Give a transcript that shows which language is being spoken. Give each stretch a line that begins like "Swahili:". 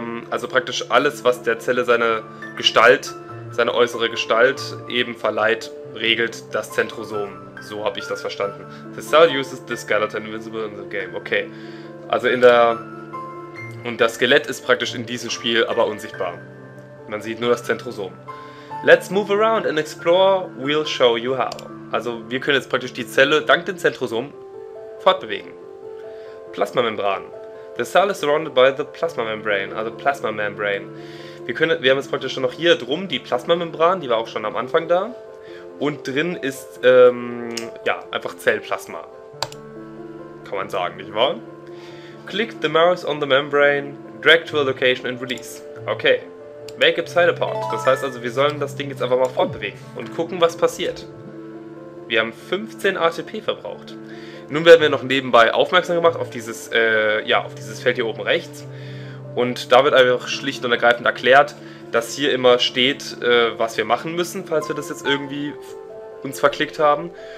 German: Also praktisch alles, was der Zelle seine Gestalt, seine äußere Gestalt eben verleiht, regelt das Zentrosom. So habe ich das verstanden.
English: The cell uses the skeleton invisible in the game. Okay.
German: Also in der... Und das Skelett ist praktisch in diesem Spiel aber unsichtbar. Man sieht nur das Zentrosom.
English: Let's move around and explore. We'll show you how.
German: Also wir können jetzt praktisch die Zelle dank dem Zentrosom fortbewegen. Plasmamembran.
English: The cell is surrounded by the plasma membrane. Also plasma membrane.
German: Wir haben jetzt praktisch schon noch hier drum die Plasmamembran, die war auch schon am Anfang da. Und drin ist einfach Zellplasma. Kann man sagen, nicht wahr?
English: Click the mouse on the membrane, drag to a location and release. Okay. Make it side apart.
German: Das heißt also, wir sollen das Ding jetzt einfach mal fortbewegen und gucken, was passiert. Wir haben 15 ATP verbraucht. Nun werden wir noch nebenbei aufmerksam gemacht auf dieses Feld hier oben rechts. Und da wird einfach schlicht und ergreifend erklärt, dass hier immer steht, was wir machen müssen, falls wir das jetzt irgendwie uns verklickt haben.